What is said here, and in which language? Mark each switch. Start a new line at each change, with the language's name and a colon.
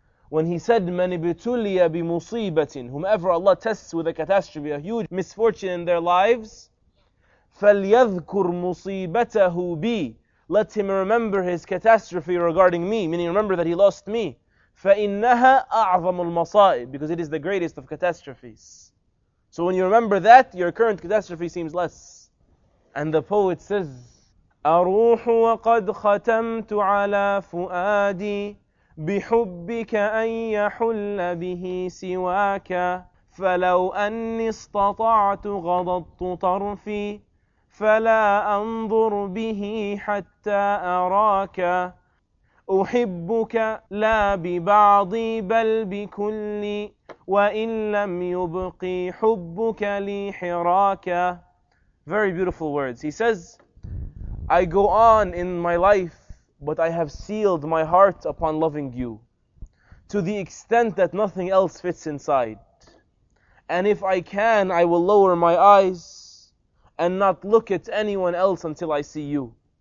English: When he said,
Arabic: مَنِ بِتُلِيَ بِمُصِيبَةٍ,
English: whomever Allah tests with a catastrophe, a huge misfortune in their lives,
Arabic: فَلْيَذْكُرْ مُصِيبَتَهُ بِي,
English: let him remember his catastrophe regarding me, meaning remember that he lost me.
Arabic: فَإِنَّهَا أَعْظَمُ الْمَصَائِبِ,
English: because it is the greatest of catastrophes. So when you remember that, your current catastrophe seems less. And the poet says,
Arabic: أَرُوحُ وَقَدْ خَتَمْتُ عَلَى فُؤَادِي بحبك أن يحل به سواك فلو أني استطعت غضضت طرفي فلا أنظر به حتى أراك أحبك لا ببعضي بل بكلي وإن لم يبقي حبك لي حراك.
English: Very beautiful words. He says, I go on in my life, but I have sealed my heart upon loving you to the extent that nothing else fits inside. And if I can, I will lower my eyes and not look at anyone else until I see you.